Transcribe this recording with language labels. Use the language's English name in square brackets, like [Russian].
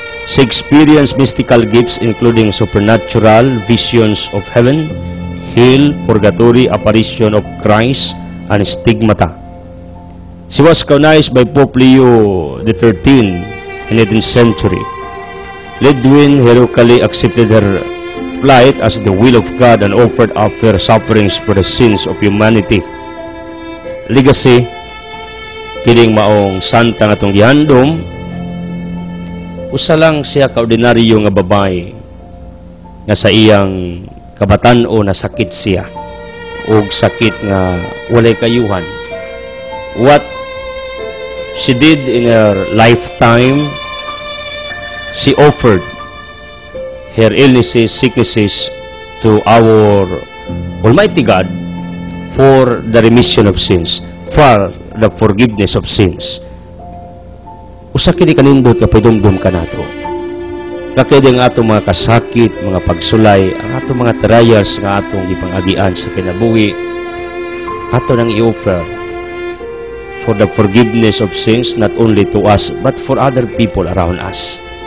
[English] She experienced mystical gifts including supernatural visions of heaven, hell, purgatory, apparition of Christ, and stigmata. She was canonized by Pope Leo XIII in the 18th century. Lidwin heroically accepted her plight as the will of God and offered up her sufferings for the sins of humanity. [Cebuano] Legacy, kining maong santa nga tong gihandom, usa lang siya kaordinaryo nga babae nga sa iyang kabatan-o nasakit siya og sakit nga walay kayuhan. [English] What she did in her lifetime, she offered her illnesses, sicknesses to our Almighty God for the remission of sins, for the forgiveness of sins. [Cebuano] Usa kini kanindot nga padumdum kanato. Nga kaya nga atong mga kasakit, mga pagsulay, ang atong mga trials nga atong ipangagian sa kinabuhi, ato nang i-offer [English] for the forgiveness of sins, not only to us, but for other people around us.